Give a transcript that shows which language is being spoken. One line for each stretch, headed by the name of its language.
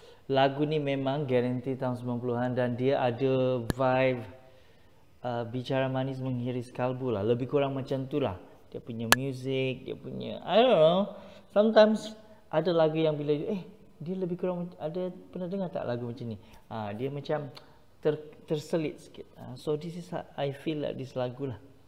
Malay: Lagu ni memang guarantee tahun 90-an dan dia ada vibe bicara manis menghiris kalbu lah. Lebih kurang macam tu lah. Dia punya music, dia punya,
English: I don't know. Sometimes
Malay: ada lagu yang bila, dia lebih kurang, ada pernah dengar tak lagu macam ni? Dia macam terselit sikit.
English: So this is how I feel like this
Malay: lagu lah.